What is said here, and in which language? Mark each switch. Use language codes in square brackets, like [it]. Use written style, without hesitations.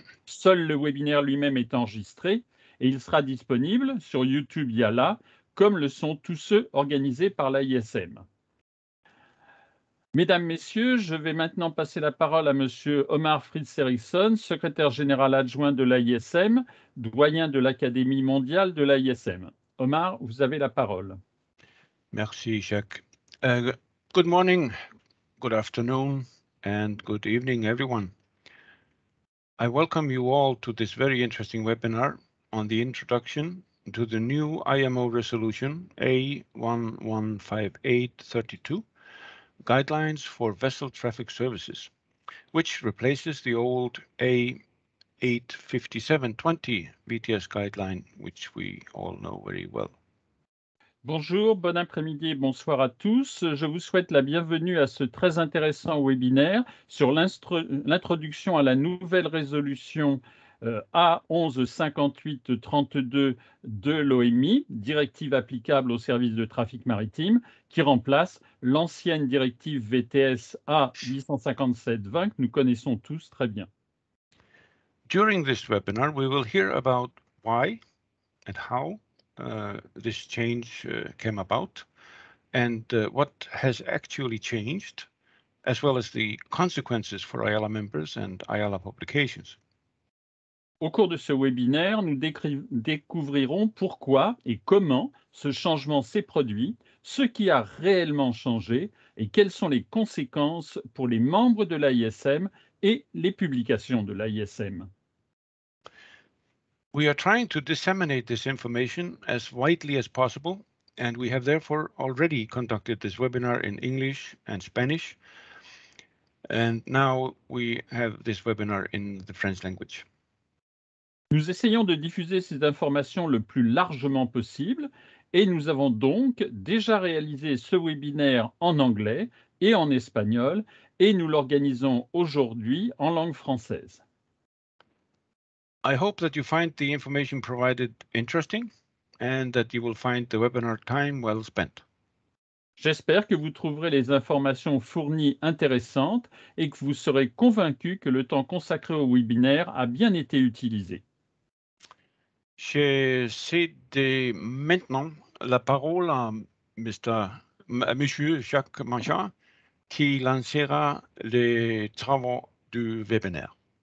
[fr] Seul le webinaire lui-même est enregistré et il sera disponible sur YouTube Yala, comme le sont tous ceux organisés par l'AISM. Mesdames, Messieurs, je vais maintenant passer la parole à M. Omar Fritz-Erikson, secrétaire général adjoint de l'AISM, doyen de l'Académie mondiale de l'AISM. Omar, vous avez la parole. Merci, Jacques. [en] Good morning, good afternoon, and good evening, everyone. I welcome you all to this very interesting webinar on the introduction to the new IMO resolution A115832. Guidelines for Vessel Traffic Services, which replaces the old A85720 VTS guideline, which we all know very well. [fr] Bonjour, bon après-midi et bonsoir à tous. Je vous souhaite la bienvenue à ce très intéressant webinaire sur l'introduction à la nouvelle résolution A115832 de l'OMI, directive applicable aux services de trafic maritime, qui remplace l'ancienne directive VTS A857-20 que nous connaissons tous très bien. [en] During this webinar, we will hear about why and how this change came about and what has actually changed, as well as the consequences for IALA members and IALA publications. [fr] Au cours de ce webinaire, nous découvrirons pourquoi et comment ce changement s'est produit, ce qui a réellement changé et quelles sont les conséquences pour les membres de l'AISM et les publications de l'AISM. [en] We are trying to disseminate this information as widely as possible and we have therefore already conducted this webinar in English and Spanish and now we have this webinar in the French language. [fr] Nous essayons de diffuser ces informations le plus largement possible et nous avons donc déjà réalisé ce webinaire en anglais et en espagnol et nous l'organisons aujourd'hui en langue française. [en] I hope that you find the information provided interesting and that you will find the webinar time well spent. [fr] J'espère que vous trouverez les informations fournies intéressantes et que vous serez convaincu que le temps consacré au webinaire a bien été utilisé. Je cède maintenant la parole à Monsieur Jacques Manchin qui lancera les travaux du webinaire.